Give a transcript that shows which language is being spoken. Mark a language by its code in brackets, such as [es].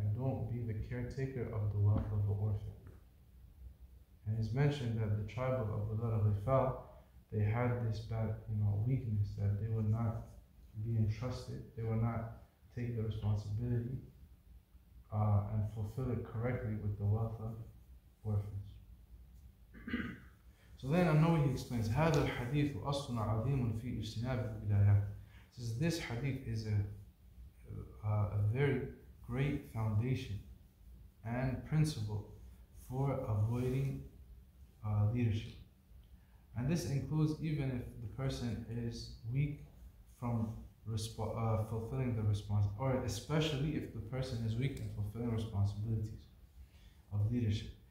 [en] And don't be the caretaker of the wealth of the orphan. And it's mentioned that the tribe of Abu Dharr al-Ghifal, they had this bad, you know, weakness, that they would not be entrusted, they would not take the responsibility and fulfill it correctly with the wealth of orphans. So then I know he explains, [ar] هذا الحديث أصل عظيم في اجتناب الولايات. [en] Says this hadith is a very great foundation and principle for avoiding leadership. And this includes even if the person is weak from fulfilling the responsibility, or especially if the person is weak in fulfilling responsibilities of leadership.